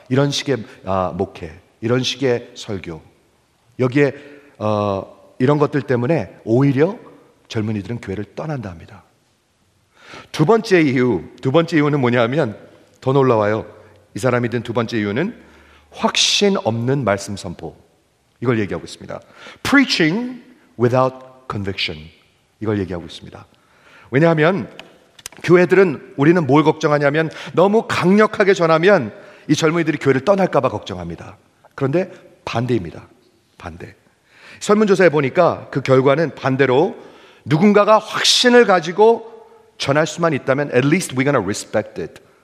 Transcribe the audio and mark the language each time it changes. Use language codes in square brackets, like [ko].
[ko] 이런 식의 목회, 이런 식의 설교. 여기에 이런 것들 때문에 오히려 젊은이들은 교회를 떠난다 합니다. 두 번째 이유는 뭐냐면 더 놀라워요. 이 사람이 든 두 번째 이유는 확신 없는 말씀 선포. 이걸 얘기하고 있습니다. [en] Preaching without conviction. [ko] 이걸 얘기하고 있습니다. 왜냐하면 교회들은 우리는 뭘 걱정하냐면 너무 강력하게 전하면 이 젊은이들이 교회를 떠날까 봐 걱정합니다. 그런데 반대입니다. 반대. 설문조사에 보니까 그 결과는 반대로 누군가가 확신을 가지고 전할 수만 있다면 [en] at least we're gonna respect it.